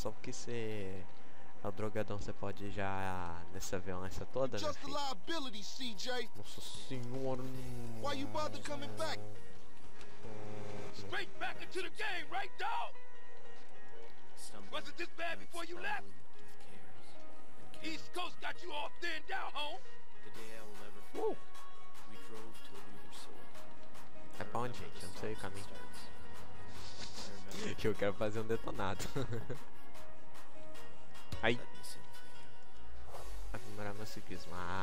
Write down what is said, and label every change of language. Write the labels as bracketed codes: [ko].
[pt] Só porque você é o drogadão, você pode já nessa violência toda, né, filho? Nossa senhora. [en] Why you bother coming back? Straight back into the game, right, dog? Wasn't this bad before you left? East Coast got you all thinned out, home. The day I will never forget. We drove till we were sore. [pt] É bom, gente. Não sei o caminho. Que eu quero fazer um detonado. Ai. Aprimorar meu ciclismo.